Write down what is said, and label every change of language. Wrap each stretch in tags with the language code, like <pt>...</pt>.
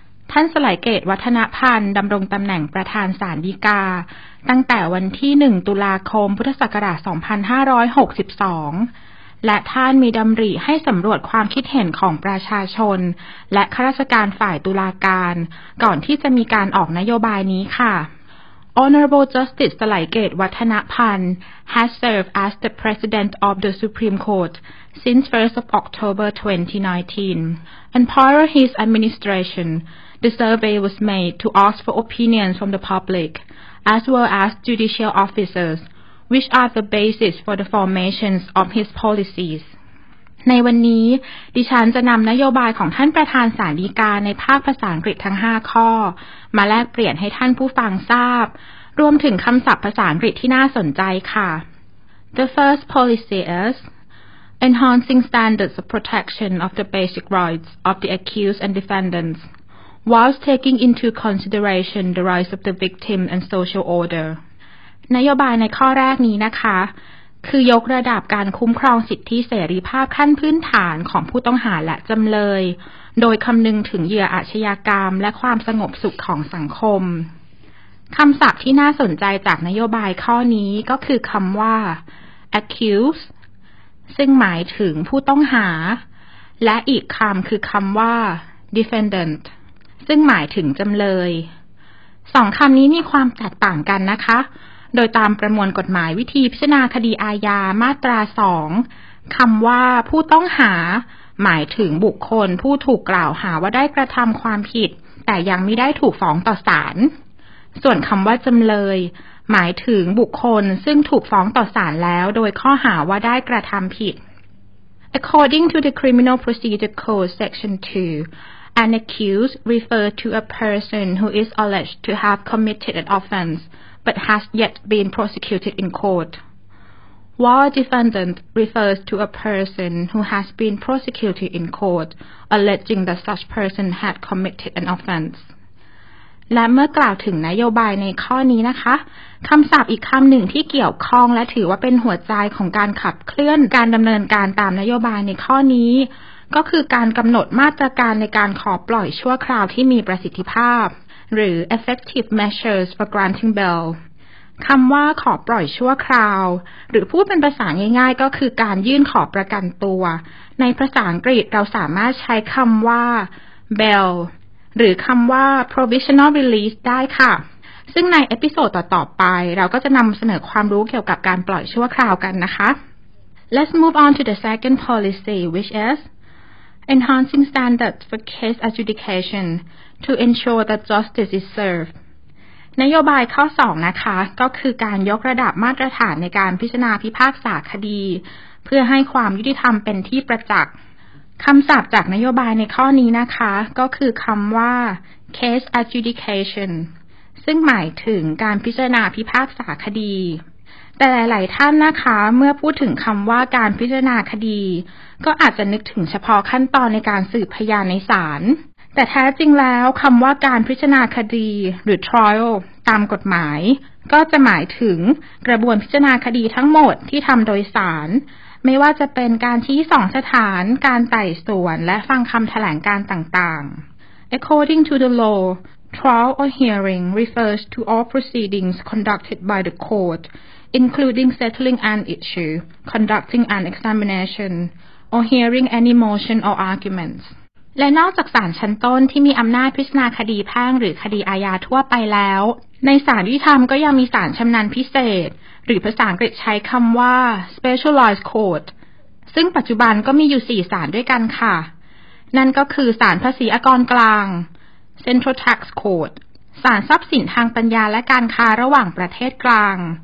<th>ท่านสลายเกตวัฒนพันธ์ดำรงตำแหน่งประธานศาลฎีกาตั้งแต่วันที่1ตุลาคมพุทธศักราช2562และท่านมีดำริให้สำรวจความคิดเห็นของประชาชนและข้าราชการฝ่ายตุลาการก่อนที่จะมีการออกนโยบายนี้ค่ะ</th> <en>Honorable Justice สลายเกตวัฒนพันธ์ has served as the President of the Supreme Court since 1st of October 2019 and prior his administrationThe survey was made to ask for opinions from the public, as well as judicial officers, which are the basis for the formations of his policies.</en> <th>ในวันนี้ดิฉันจะนำนโยบายของท่านประธานศาลฎีกาในภาคภาษาอังกฤษทั้ง5ข้อมาแลกเปลี่ยนให้ท่านผู้ฟังทราบรวมถึงคำศัพท์ภาษาอังกฤษที่น่าสนใจค่ะ</th> <en>The first policy is enhancing standards of protection of the basic rights of the accused and defendantsWhilst taking into consideration the rights of the victim and social order.</en> <th>นโยบายในข้อแรกนี้นะคะคือยกระดับการคุ้มครองสิทธิเสรีภาพขั้นพื้นฐานของผู้ต้องหาและจำเลยโดยคำนึงถึงเหยื่ออาชญากรรมและความสงบสุขของสังคม คำศัพท์ที่น่าสนใจจากนโยบายข้อนี้ก็คือคำว่า accused ซึ่งหมายถึงผู้ต้องหาและอีกคำคือคำว่า defendantซึ่งหมายถึงจำเลย 2คำนี้มีความแตกต่างกันนะคะโดยตามประมวลกฎหมายวิธีพิจารณาคดีอาญามาตรา2คำว่าผู้ต้องหาหมายถึงบุคคลผู้ถูกกล่าวหาว่าได้กระทำความผิดแต่ยังไม่ได้ถูกฟ้องต่อศาลส่วนคำว่าจำเลยหมายถึงบุคคลซึ่งถูกฟ้องต่อศาลแล้วโดยข้อหาว่าได้กระทำผิด</th> <en>According to the Criminal Procedure Code Section 2An accused refers to a person who is alleged to have committed an offence but has yet been prosecuted in court. While a defendant refers to a person who has been prosecuted in court, alleging that such person had committed an offence.</en> <th>และเมื่อกล่าวถึงนโยบายในข้อนี้นะคะคำศัพท์อีกคำหนึ่งที่เกี่ยวข้องและถือว่าเป็นหัวใจของการขับเคลื่อนการดำเนินการตามนโยบายในข้อนี้ก็คือการกำหนดมาตรการในการขอปล่อยชั่วคราวที่มีประสิทธิภาพหรือ</th> <en>effective measures for granting bail</en> <th>คำว่าขอปล่อยชั่วคราวหรือพูดเป็นภาษาง่ายๆก็คือการยื่นขอประกันตัวในภาษาอังกฤษเราสามารถใช้คำว่า bail หรือคำว่า provisional release ได้ค่ะซึ่งในเอพิโซดต่อๆไปเราก็จะนำเสนอความรู้เกี่ยวกับการปล่อยชั่วคราวกันนะคะ</th> <en>Let's move on to the second policy which isEnhancing standards for case adjudication to ensure that justice is served.</en> <th>นโยบายข้อ2นะคะก็คือการยกระดับมาตรฐานในการพิจารณาพิพากษาคดีเพื่อให้ความยุติธรรมเป็นที่ประจักษ์คำศัพท์จากนโยบายในข้อนี้นะคะก็คือคำว่า case adjudication ซึ่งหมายถึงการพิจารณาพิพากษาคดี แต่หลายๆท่านนะคะเมื่อพูดถึงคำว่าการพิจารณาคดีก็อาจจะนึกถึงเฉพาะขั้นตอนในการสืบพยานในศาลแต่แท้จริงแล้วคำว่าการพิจารณาคดีหรือ trial ตามกฎหมายก็จะหมายถึงกระบวนพิจารณาคดีทั้งหมดที่ทำโดยศาลไม่ว่าจะเป็นการชี้สองสถานการไต่สวนและฟังคำแถลงการต่าง</th> <en>ๆ According to the law, trial or hearing refers to all proceedings conducted by the courtIncluding settling an issue, conducting an examination, or hearing any motion or arguments.</en> <th>และนอกจากศาลชั้นต้นที่มีอำนาจพิจารณาคดีแพ่งหรือคดีอาญาทั่วไปแล้วในศาลยุติธรรมก็ยังมีศาลชำนาญพิเศษ หรือภาษาอังกฤษใช้คำว่า specialized code ซึ่งปัจจุบันก็มีอยู่4ศาลด้วยกันค่ะนั่นก็คือศาลภาษีอากรกลาง central tax code ศาลทรัพย์สินทางปัญญาและการค้าระหว่างประเทศกลาง</th>